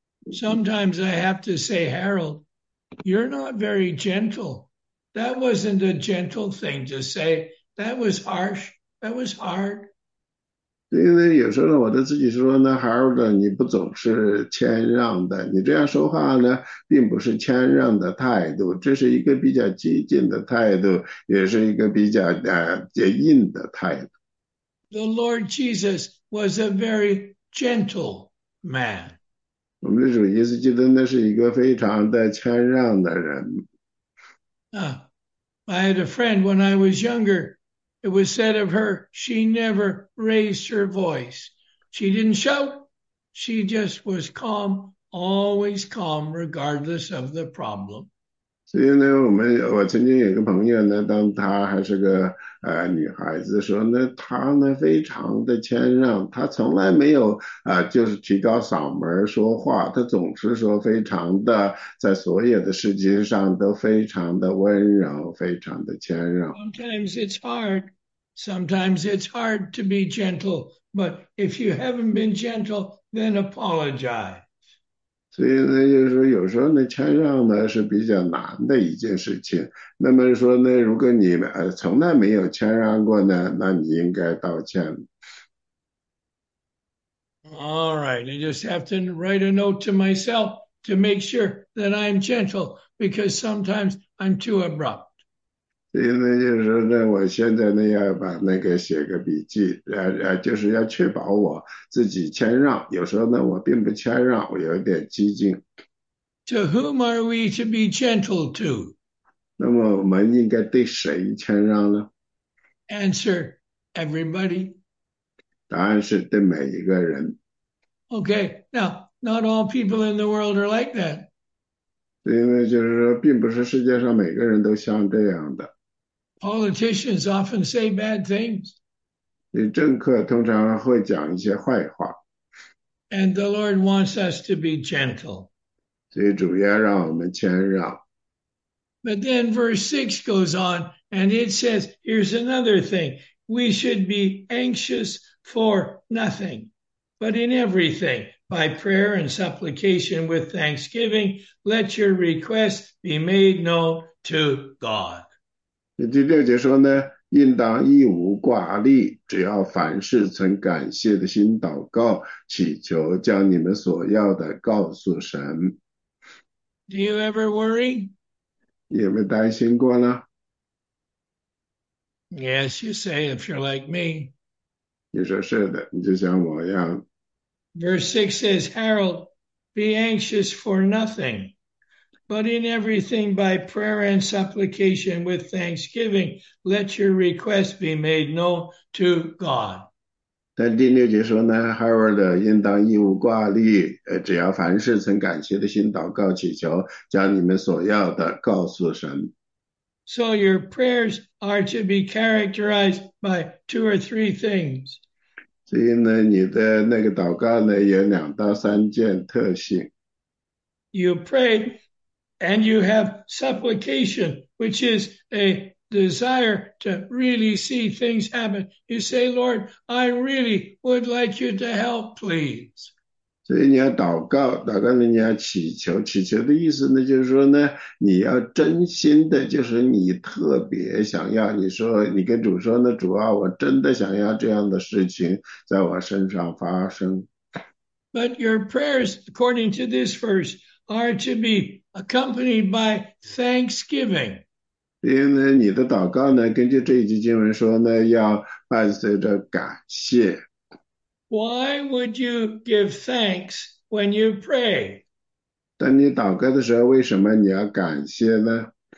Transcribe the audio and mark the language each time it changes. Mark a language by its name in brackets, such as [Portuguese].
[English] Sometimes I have to say, Harold, you're not very gentle. That wasn't a gentle thing to say. That was harsh. That was hard. [Chinese] 因为有时候呢，我都自己说呢，孩儿的，你不总是谦让的，你这样说话呢，并不是谦让的态度，这是一个比较激进的态度，也是一个比较硬的态度。 [English] The Lord Jesus was a very gentle man. [Chinese] 我们的主耶稣基督呢，是一个非常的谦让的人。 [English] I had a friend when I was younger. It was said of her, she never raised her voice. She didn't shout. She just was calm, always calm, regardless of the problem. [Chinese] 所以呢，我曾经有个朋友呢，当她还是个女孩子时候呢，她呢非常的谦让，她从来没有就是提高嗓门说话，她总是说非常的，在所有的事情上都非常的温柔，非常的谦让。 [English] Sometimes it's hard. Sometimes it's hard to be gentle, but if you haven't been gentle, then apologize. [Chinese] 所以呢，就是说有时候呢，谦让呢是比较难的一件事情。那么说呢，如果你从来没有谦让过呢，那你应该道歉。 [English] All right, I just have to write a note to myself to make sure that I'm gentle because sometimes I'm too abrupt. [Chinese] 所以呢，就是说呢，我现在呢要把那个写个笔记，就是要确保我自己谦让。有时候呢，我并不谦让，我有点激进。 [English] To whom are we to be gentle to? [Chinese] 那么我们应该对谁谦让呢？ [English] Answer, everybody. [Chinese] 答案是对每一个人。 [English] Okay, now, not all people in the world are like that. [Chinese] 因为就是说，并不是世界上每个人都像这样的。 [English] Politicians often say bad things. [Chinese] 你政客通常会讲一些坏话， [English] And the Lord wants us to be gentle. [Chinese] 所以主要让我们谦让。 [English] But then verse 6 goes on and it says, here's another thing. We should be anxious for nothing, but in everything, by prayer and supplication with thanksgiving, let your requests be made known to God. [Chinese] 第六节说呢，应当一无挂虑，只要凡事存感谢的心祷告，祈求将你们所要的告诉神。 [English] Do you ever worry? [Chinese] 有没有担心过呢？ [English] Yes, you say if you're like me. [Chinese] 你说是的，你就像我一样。 [English] Verse 6 says, Harold, be anxious for nothing, but in everything by prayer and supplication with thanksgiving, let your request be made known to God. [Chinese] 但第六节说呢，Howard 应当一无挂虑，只要凡事存感谢的心祷告祈求，将你们所要的告诉神。 [English] So your prayers are to be characterized by two or three things. [Chinese] 所以呢，你的那个祷告呢，有2到3件特性。 [English] You pray and you have supplication, which is a desire to really see things happen. You say, Lord, I really would like you to help, please. [Chinese] 所以你要祷告，祷告呢，你要祈求，祈求的意思呢，就是说呢，你要真心的，就是你特别想要，你说你跟主说呢，主啊，我真的想要这样的事情在我身上发生。 [English] But your prayers, according to this verse, are to be accompanied by thanksgiving. [Chinese] 因为你的祷告呢，根据这一节经文说呢，要伴随着感谢。 [English] Why would you give thanks when you pray? [Chinese] 当你祷告的时候，为什么你要感谢呢？